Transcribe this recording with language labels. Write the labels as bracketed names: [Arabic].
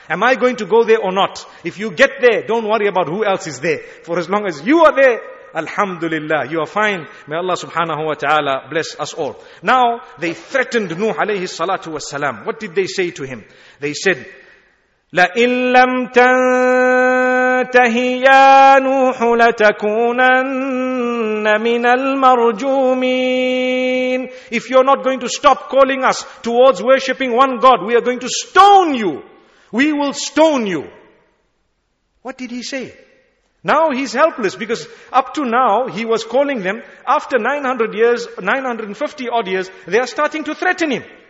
[English] Am I going to go there or not? If you get there, don't worry about who else is there. For as long as you are there, Alhamdulillah, you are fine. May Allah subhanahu wa ta'ala bless us all. Now, they threatened Nuh alayhi salatu wa salam. What did they say to him? They said, [Arabic] لَإِن لَمْ تَنْ تنتهي يا نوح لتكونن من المرجومين. [English] If you're not going to stop calling us towards worshipping one God, we are going to stone you. We will stone you. What did he say? Now he's helpless, because up to now he was calling them. After 950 odd years, they are starting to threaten him.